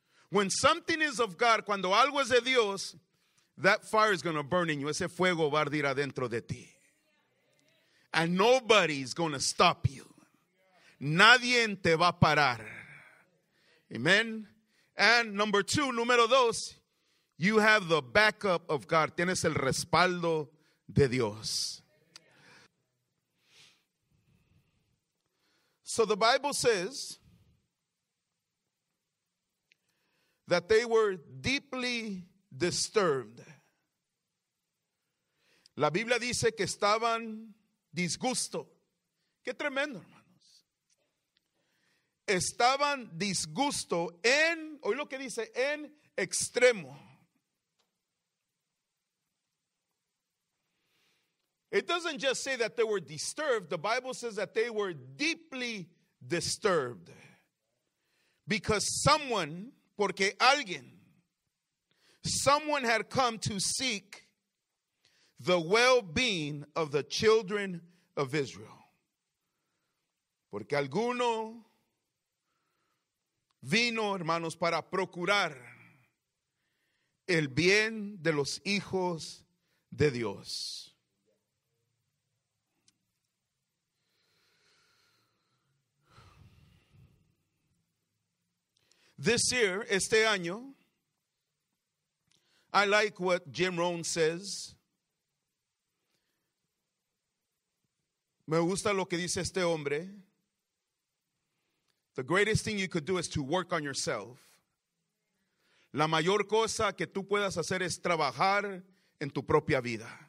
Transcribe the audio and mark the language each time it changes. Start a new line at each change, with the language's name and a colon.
English: When something is of God,
Spanish: cuando algo es de Dios,
English: that fire is going to burn in you.
Spanish: Ese fuego va a ardir adentro de ti.
English: And nobody's going to stop you.
Spanish: Nadie te va a parar.
English: Amen. And number two,
Spanish: número dos,
English: you have the backup of God.
Spanish: Tienes el respaldo de Dios.
English: So the Bible says that they were deeply disturbed.
Spanish: La Biblia dice que estaban disgusto. Qué tremendo, hermanos. Estaban disgusto en, oye lo que dice, en extremo.
English: It doesn't just say that they were disturbed. The Bible says that they were deeply disturbed. Because someone,
Spanish: porque alguien,
English: someone had come to seek the well-being of the children of Israel.
Spanish: Porque alguno vino, hermanos, para procurar el bien de los hijos de Dios.
English: This year,
Spanish: este año,
English: I like what Jim Rohn says.
Spanish: Me gusta lo que dice este hombre.
English: The greatest thing you could do is to work on yourself.
Spanish: La mayor cosa que tú puedas hacer es trabajar en tu propia vida.